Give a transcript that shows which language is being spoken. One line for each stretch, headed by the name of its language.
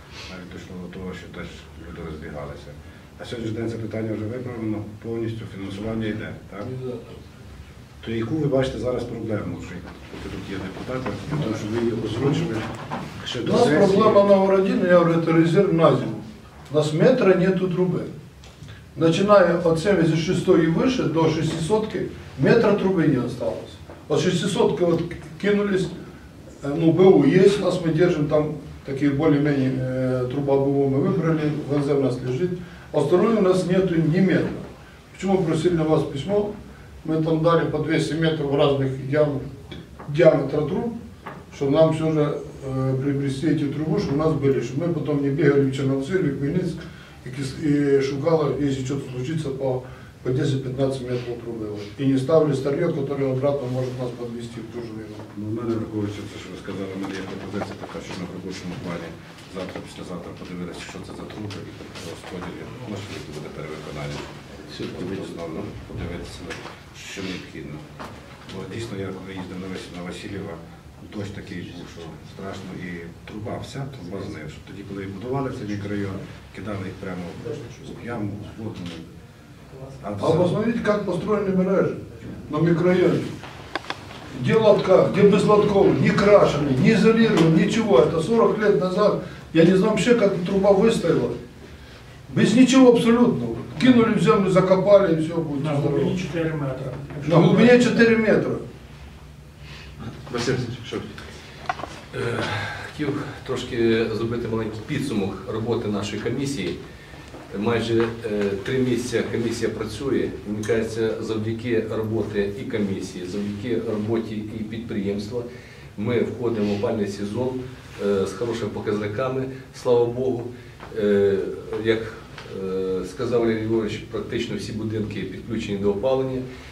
Ukrainian: Навіть дійшло до того, що теж люди розбігалися. А сьогодні ж день це питання вже виправлено, повністю фінансування йде, так? То яку ви бачите зараз проблему, що тут є депутати, тому що ви її озвучили ще до сесії? У нас проблема Новородіна, я говорю, резерв на зиму. У нас метра нету труби. Починаю от 76-ї вище до 600-ки, метра труби не осталось. От 600-ки от кинулись,
Russian: Ну, БУ есть, нас мы держим, там такие более-менее труба БУ мы выбрали, ВНЗ у нас лежит. А здоровья у нас нету немедленно. Почему просили на вас письмо? Мы там дали по 200 метров разных диаметра труб, чтобы нам все же приобрести эти трубы, чтобы у нас были, чтобы мы потом не бегали в Черновцы, в Хмельницк и шугало, если что-то случится, по 10-15 метров трубы. И не ставили старье, которое обратно может нас подвести в ту же вину.
Ukrainian: Ну, мене враховуючи все, що ви сказали, мені є пропозиція така, що на робочому плані завтра, післязавтра подивилися, що це за труби і розподілі. Може, це буде перевиконання. Відповідно, подивитися, що необхідно. Бо дійсно, я коли їздив на весь на Васильєва, дощ такий був, що страшно, і труба вся, труба знає, що тоді, коли будували цей мікрорайон, кидали їх прямо в яму, в воду.
Russian: А посмотрите, как построены мережи на микрорайоне. Где лотка, где без лотков, не крашены, не изолированы, ничего. Это 40 лет назад, я не знаю вообще, как труба выстояла. Без ничего абсолютно. Кинули в землю, закопали, и все будет. На глубине 4 метра. На глубине 4 метра. Василь Васильевич, что? Хотел трошки сделать маленький підсумок работы нашей комиссии.
Ukrainian: Майже три місяці комісія працює, і мені кажеться, завдяки роботи і комісії, завдяки роботі і підприємства, ми входимо в опалювальний сезон з хорошими показниками, слава Богу. Як сказав Олег Григорович, практично всі будинки підключені до опалення.